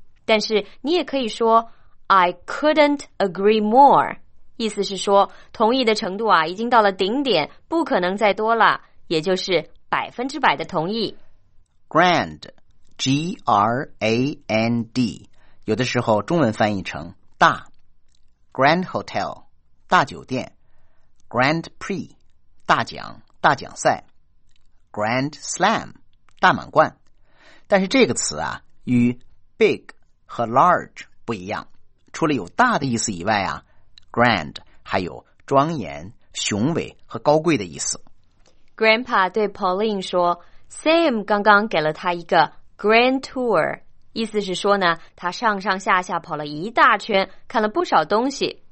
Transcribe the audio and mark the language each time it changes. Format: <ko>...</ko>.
<zh>但是你也可以说</zh> <en>I couldn't agree more，</en> <zh>意思是说同意的程度啊已经到了顶点，不可能再多了，也就是百分之百的同意。 Grand， G-R-A-N-D， 有的时候中文翻译成大。 Grand Hotel， 大酒店。 Grand Prix， 大奖，大奖赛。 Grand Slam， 大满贯。但是这个词啊与 big 和 large 不一样，除了有大的意思以外啊，Grand 还有庄严、雄伟和高贵的意思。 Grandpa 对 Pauline 说 ，Sam 刚刚给了他一个 Grand Tour， 意思是说呢，他上上下下跑了一大圈，看了不少东西。</zh>